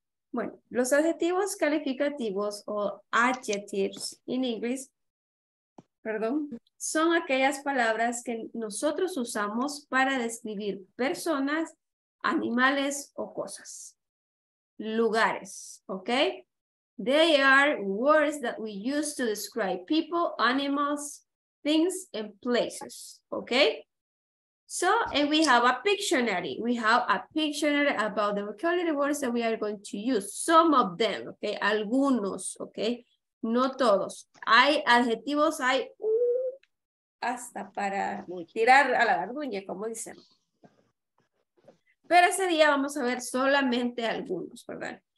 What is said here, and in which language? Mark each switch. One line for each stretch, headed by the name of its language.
Spanish: Bueno, los adjetivos calificativos o adjectives en inglés, perdón, son aquellas palabras que nosotros usamos para describir personas, animales o cosas. Lugares, ¿ok?
English: They are words that we use to describe people, animals, things, and places. Okay? So, and we have a dictionary. We have a dictionary about the vocabulary words that we are going to use. Some of them, okay?
Spanish: Algunos,
English: okay?
Spanish: No todos. Hay adjetivos, hay hasta para tirar a la garduña, como dicen. Pero ese día vamos a ver solamente algunos, ¿verdad?